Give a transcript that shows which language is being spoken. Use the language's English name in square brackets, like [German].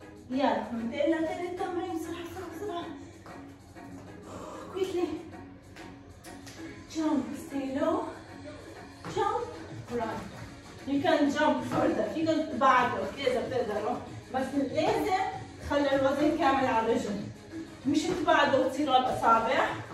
[Arabic] يلا ننتقل للتمرين بسرعة. [English] quickly jump, stay low, jump, run. you can jump further. [Arabic] فيكم تبعدوا إذا بتقدروا، بس لازم تخلي الوزن كامل على الرجل، مش تبعدوا وتصيروا الأصابع.